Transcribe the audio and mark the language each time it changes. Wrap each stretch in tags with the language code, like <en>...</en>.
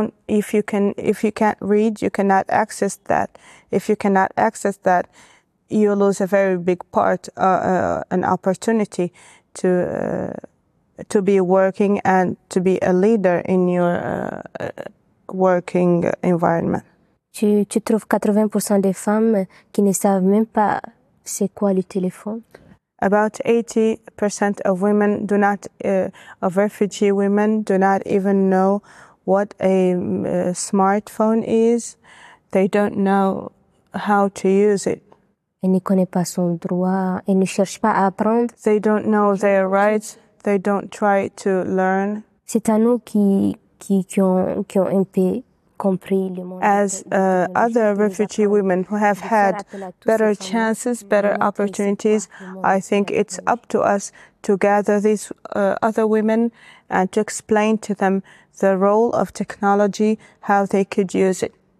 <en>If you can't read, you cannot access that. If you cannot access that, you lose a very big part, an opportunity to be working and to be a leader in your working environment.</en> <fr>Tu trouves 80% des femmes qui ne savent même pas c'est quoi le téléphone.</fr> <en>About 80% of women do not, of refugee women do not even know what a smartphone is. They don't know how to use it.</en> <fr>Elle ne connaît pas son droit. Elle ne cherche pas à apprendre.</fr> <en>They don't know their rights. They don't try to learn.</en> <fr>C'est à nous qui ont un peu</fr> <en>as other refugee women who have had better chances, better opportunities, I think it's up to us to gather these other women and to explain to them the role of technology, how they could use it.</en>